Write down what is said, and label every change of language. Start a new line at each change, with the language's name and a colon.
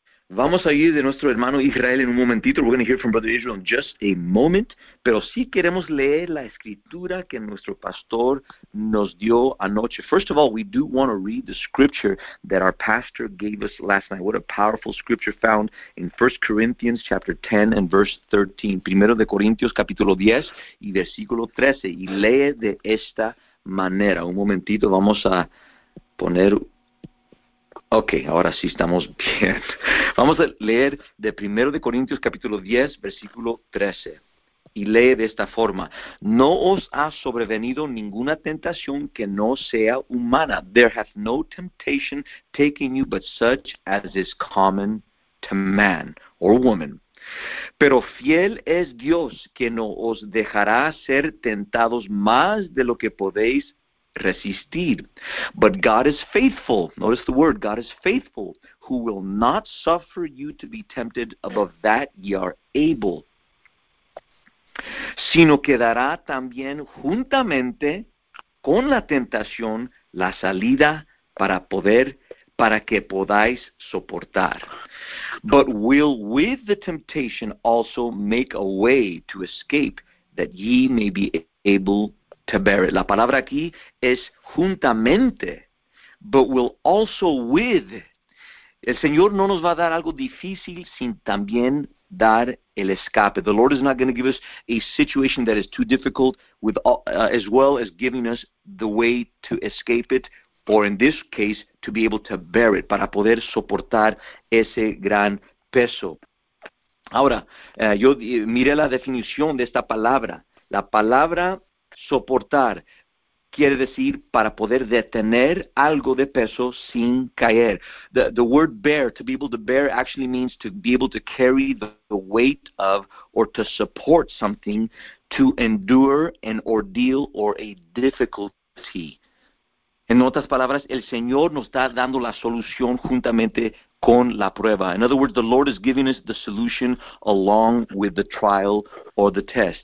Spanish: Vamos a ir de nuestro hermano Israel en un momentito.
English: We're going to hear from Brother Israel in just a moment.
Spanish: Pero sí queremos leer la escritura que nuestro pastor nos dio anoche.
English: First of all, we do want to read the scripture that our pastor gave us last night. What a powerful scripture found in 1 Corinthians chapter 10 and verse 13.
Spanish: Primero de Corintios capítulo 10 y versículo 13. Y lee de esta manera. Un momentito, vamos a poner... Ok, ahora sí estamos bien. Vamos a leer de 1 de Corintios capítulo 10, versículo 13. Y lee de esta forma. No os ha sobrevenido ninguna tentación que no sea humana.
English: There hath no temptation taken you but such as is common to man or woman.
Spanish: Pero fiel es Dios que no os dejará ser tentados más de lo que podéis resistir.
English: But God is faithful. Notice the word. God is faithful, who will not suffer you to be tempted above that ye are able,
Spanish: sino que dará también juntamente con la tentación la salida para que podáis soportar.
English: But will with the temptation also make a way to escape, that ye may be able to bear it.
Spanish: La palabra aquí es juntamente,
English: but will also with.
Spanish: El Señor no nos va a dar algo difícil sin también dar el escape.
English: The Lord is not going to give us a situation that is too difficult with as well as giving us the way to escape it, or in this case, to be able to bear it,
Spanish: para poder soportar ese gran peso. Ahora, yo miré la definición de esta palabra. La palabra soportar quiere decir para poder detener algo de peso sin caer.
English: The word bear, to be able to bear, actually means to be able to carry the weight of or to support something, to endure an ordeal or a difficulty.
Spanish: En otras palabras, el Señor nos está dando la solución juntamente con la prueba.
English: In other words, the Lord is giving us the solution along with the trial or the test.